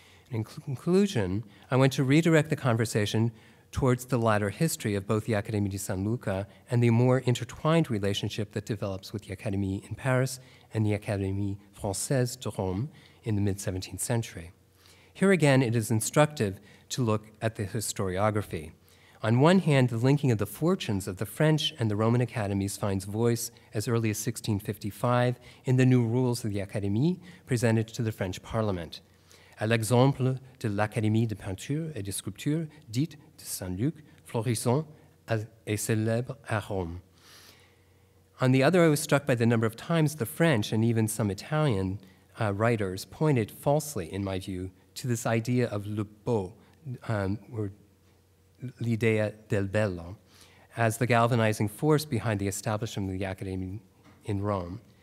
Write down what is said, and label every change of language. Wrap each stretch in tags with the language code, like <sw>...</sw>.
<en>In conclusion, I want to redirect the conversation towards the latter history of both the Académie de San Luca and the more intertwined relationship that develops with the Académie in Paris and the Académie Française de Rome in the mid-17th century. Here again, it is instructive to look at the historiography. On one hand, the linking of the fortunes of the French and the Roman academies finds voice as early as 1655 in the new rules of the Académie presented to the French Parliament.</en> <fr>À l'exemple de l'Académie de peinture et de sculpture dite de Saint-Luc, florissant et célèbre à Rome.</fr> <en>On the other, I was struck by the number of times the French and even some Italian writers pointed falsely, in my view, to this idea of le beau, or l'idea del bello, as the galvanizing force behind the establishment of the Academy in Rome.</en>